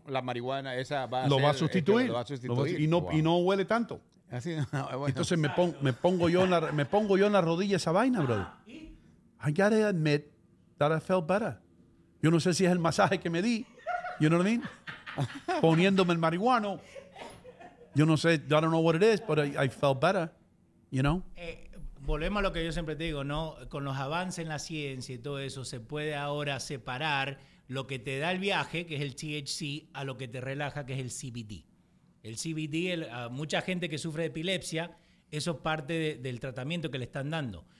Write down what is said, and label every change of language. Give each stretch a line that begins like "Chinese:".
Spanish: La marihuana esa va a lo ser... Va a sustituir, lo va a sustituir. Y no, wow. Y no huele tanto. Así, bueno. Entonces me pongo yo en la rodilla esa vaina, bro.
English: I gotta admit that I felt better.
Spanish: Yo no sé si es el masaje que me di.
English: You know what I mean?
Spanish: Poniéndome el marihuano. Yo no sé,
English: I don't know what it is, but I felt better. You know?
Spanish: Volvemos a lo que yo siempre te digo, ¿no? Con los avances en la ciencia y todo eso, se puede ahora separar lo que te da el viaje, que es el THC, a lo que te relaja, que es el CBD. El CBD, a mucha gente que sufre de epilepsia, eso es parte del tratamiento que le están dando.